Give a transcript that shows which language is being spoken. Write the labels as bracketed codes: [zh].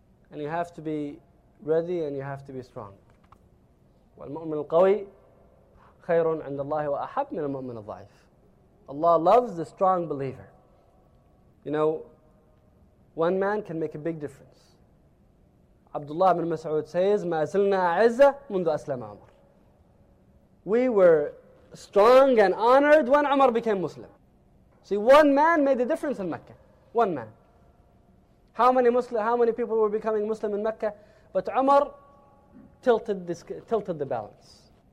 [en] And you have to be ready and you have to be strong. [ar] وَالْمُؤْمِنُ الْقَوِيِّ خَيْرٌ عِنْدَ اللَّهِ وَأَحَبْ مِنَ الْمُؤْمِنَ الضَّعِيفِ. [en] Allah loves the strong believer. You know, one man can make a big difference. [ar] Abdullah ibn Mas'ud says, مَا زِلْنَا عِزَّةً مُنْدُ أَسْلَمَ عَمَرٌ. [en] We were strong and honored when Umar became Muslim. See, one man made a difference in Mecca. One man. How many people were becoming Muslim in Mecca? But Umar tilted the balance.